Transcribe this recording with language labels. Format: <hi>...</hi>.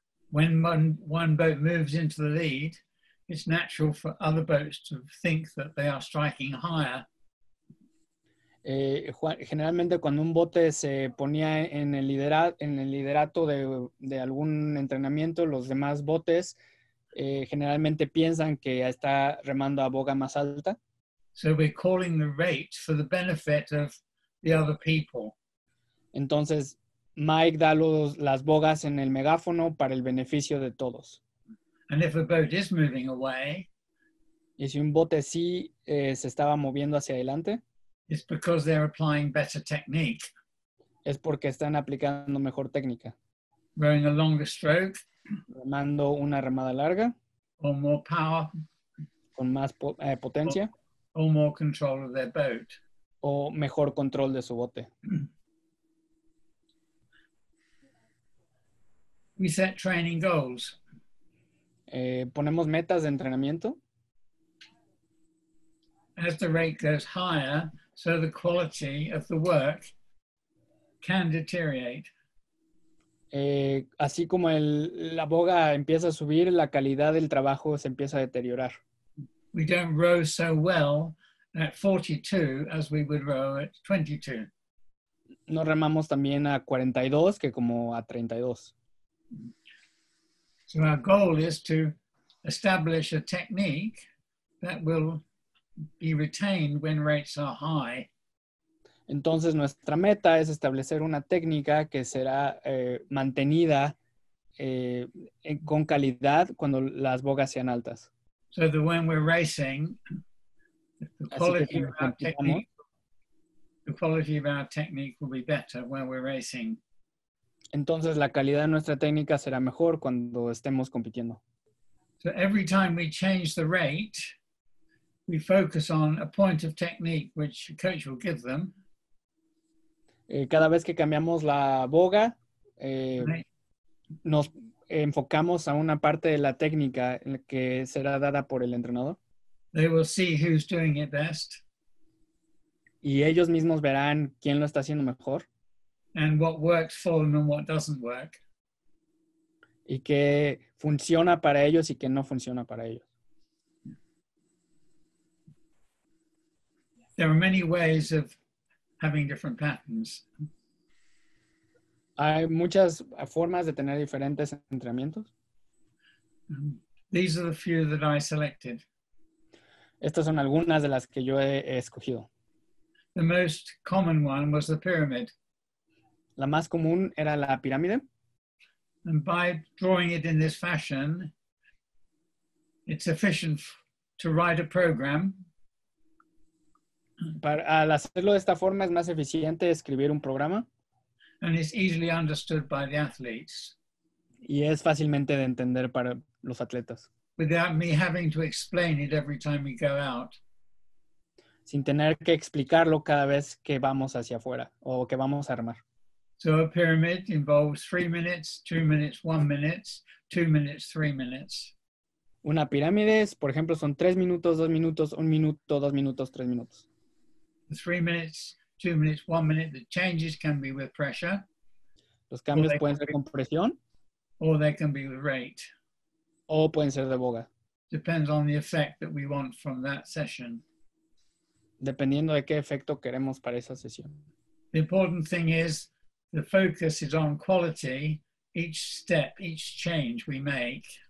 <en>When one boat moves into the lead, it's natural for other boats to think that they are striking higher.</en> <es>Generalmente, cuando un bote se ponía en el liderato de algún entrenamiento, los demás botes generalmente piensan que ya está remando a boga más alta.</es> <en>So we're calling the rate for the benefit of the other people.</en> <es>Entonces, Mike da las bogas en el megáfono para el beneficio de todos.</es> <en>And if a boat is moving away,</en> <es>y si un bote sí se estaba moviendo hacia adelante,</es> <en>it's because they're applying better technique.</en> <es>Es porque están aplicando mejor técnica.</es> <en>Rowing a longer stroke,</en> <es>remando una remada larga,</es> <en>or more power,</en> <es>con más potencia,</es> <en>or more control of their boat,</en> <es>o mejor control de su bote.</es> <en>We set training goals.</en> <es>Ponemos metas de entrenamiento.</es> <en>As the rate goes higher, so the quality of the work can deteriorate.</en> <es>Así como la boga empieza a subir, la calidad del trabajo se empieza a deteriorar.</es> <en>We don't row so well at 42 as we would row at 22.</en> <es>No remamos también a 42 que como a 32.</es> <en>So our goal is to establish a technique that will be retained when rates are high.</en> <es>Entonces nuestra meta es establecer una técnica que será mantenida con calidad cuando las bogas sean altas.</es> <en>So that when we're racing, the quality of our technique will be better when we're racing.</en> <es>Entonces, la calidad de nuestra técnica será mejor cuando estemos compitiendo.</es> <en>So every time we change the rate, we focus on a point of technique which the coach will give them.</en> <es>Cada vez que cambiamos la boga, nos enfocamos a una parte de la técnica que será dada por el entrenador.</es> <en>They will see who's doing it best.</en> <es>Y ellos mismos verán quién lo está haciendo mejor.</es> <en>And what works for them and what doesn't work.</en> <es>Y que funciona para ellos y que no funciona para ellos.</es> <en>There are many ways of having different patterns.</en> <es>Hay muchas formas de tener diferentes entrenamientos.</es> <en>These are the few that I selected.</en> <es>Estas son algunas de las que yo he escogido.</es> <en>The most common one was the pyramid.</en> <es>La más común era la pirámide.</es> <en>And by drawing it in this fashion, it's efficient to write a program.</en> <es>Al hacerlo de esta forma, es más eficiente escribir un programa.</es> <en>And it's easily understood by the athletes.</en> <es>Y es fácilmente de entender para los atletas.</es> <en>Without me having to explain it every time we go out.</en> <es>Sin tener que explicarlo cada vez que vamos hacia afuera o que vamos a armar.</es> <en>So a pyramid involves 3 minutes, 2 minutes, 1 minute, 2 minutes, 3 minutes.</en> <es>Una pirámide, por ejemplo, son 3 minutos, 2 minutos, 1 minuto, 2 minutos, 3 minutos.</es> <en>3 minutes, 2 minutes, 1 minute, the changes can be with pressure.</en> <es>Los cambios pueden ser con presión.</es> <en>Or they can be with rate.</en> <es>O pueden ser de boga.</es> <en>Depends on the effect that we want from that session.</en> <es>Dependiendo de qué efecto queremos para esa sesión.</es> <en>The important thing is the focus is on quality, each step, each change we make.</en>